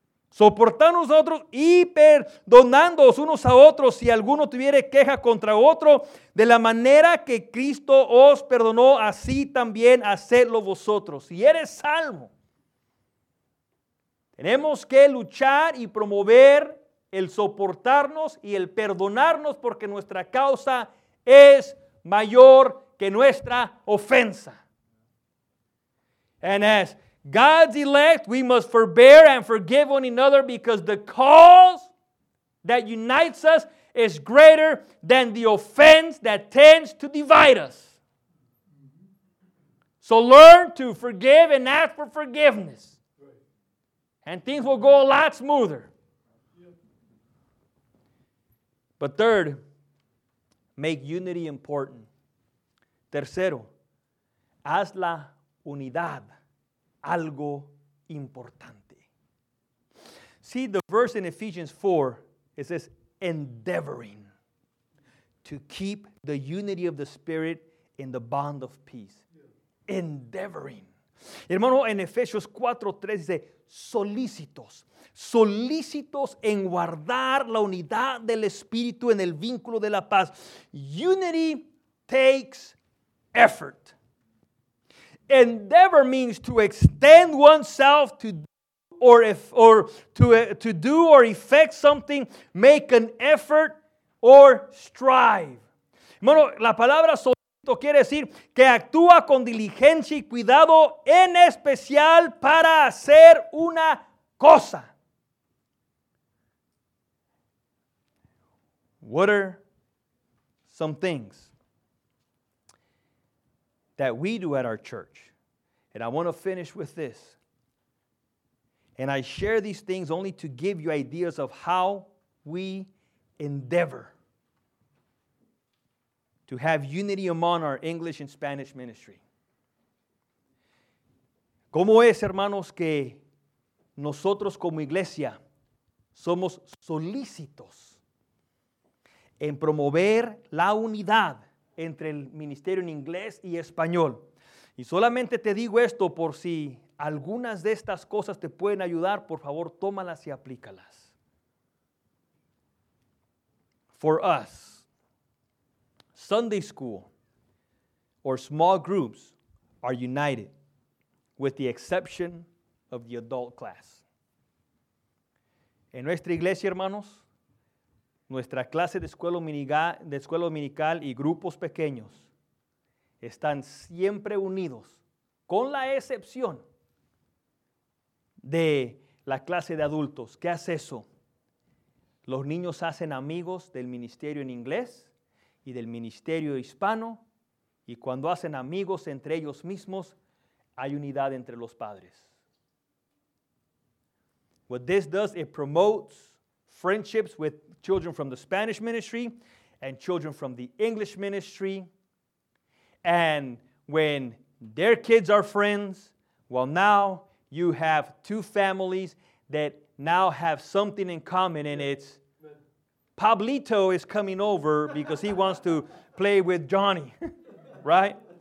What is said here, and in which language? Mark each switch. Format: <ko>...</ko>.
<es>Soportándonos a otros y perdonándoos unos a otros si alguno tuviere queja contra otro, de la manera que Cristo os perdonó, así también hacedlo vosotros. Si eres salvo, tenemos que luchar y promover el soportarnos y el perdonarnos porque nuestra causa es mayor que nuestra ofensa.</es> <en>And as God's elect, we must forbear and forgive one another because the cause that unites us is greater than the offense that tends to divide us. So learn to forgive and ask for forgiveness. And things will go a lot smoother. But third, make unity important.</en> <es>Tercero, haz la unidad algo importante.</es> <en>See the verse in Ephesians 4, it says, endeavoring to keep the unity of the Spirit in the bond of peace. Endeavoring.</en> <es>Hermano, en Efesios 4:3 dice, solícitos, solícitos en guardar la unidad del Espíritu en el vínculo de la paz.</es> <en>Unity takes effort. Endeavor means to extend oneself to do or effect something, make an effort or strive.</en> <es>Bueno, la palabra solito quiere decir que actúa con diligencia y cuidado en especial para hacer una cosa.</es> <en>What are some things that we do at our church? And I want to finish with this. And I share these things only to give you ideas of how we endeavor to have unity among our English and Spanish ministry.</en> <es>¿Cómo es, hermanos, que nosotros como iglesia somos solícitos en promover la unidad entre el ministerio en inglés y español? Y solamente te digo esto por si algunas de estas cosas te pueden ayudar, por favor, tómalas y aplícalas.</es> <en>For us, Sunday school or small groups are united, with the exception of the adult class.</en> <es>En nuestra iglesia, hermanos, nuestra clase de escuela dominical y grupos pequeños están siempre unidos, con la excepción de la clase de adultos. ¿Qué hace eso? Los niños hacen amigos del ministerio en inglés y del ministerio hispano, y cuando hacen amigos entre ellos mismos, hay unidad entre los padres.</es> <en>What this does, it promotes friendships with children from the Spanish ministry and children from the English ministry. And when their kids are friends, well, now you have two families that now have something in common, and it's Pablito is coming over because he wants to play with Johnny, right?</en>